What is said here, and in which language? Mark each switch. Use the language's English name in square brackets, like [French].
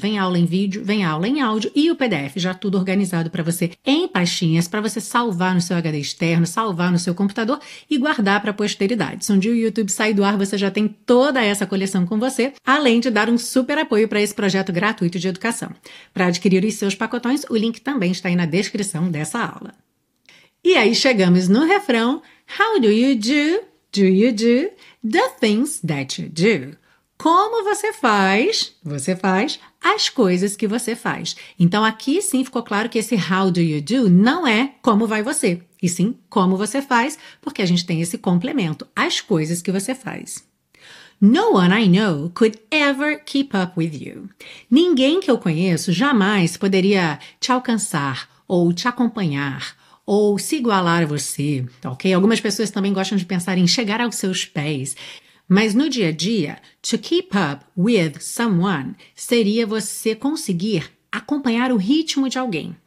[Portuguese] Vem aula em vídeo, vem aula em áudio e o PDF já tudo organizado para você em pastinhas, para você salvar no seu HD externo, salvar no seu computador e guardar para a posteridade. Se um dia o YouTube sair do ar, você já tem toda essa coleção com você, além de dar um super apoio para esse projeto gratuito de educação. Para adquirir os seus pacotões, o link também está aí na descrição dessa aula. E aí chegamos no refrão. [English] How do you do the things that you do? [Portuguese] Como você faz as coisas que você faz. Então aqui sim ficou claro que esse [English] how do you do [Portuguese] não é como vai você, e sim como você faz, porque a gente tem esse complemento, as coisas que você faz. [English] No one I know could ever keep up with you. [Portuguese] Ninguém que eu conheço jamais poderia te alcançar ou te acompanhar. Ou se igualar a você, ok? Algumas pessoas também gostam de pensar em chegar aos seus pés. Mas no dia a dia, [English] to keep up with someone [Portuguese] seria você conseguir acompanhar o ritmo de alguém.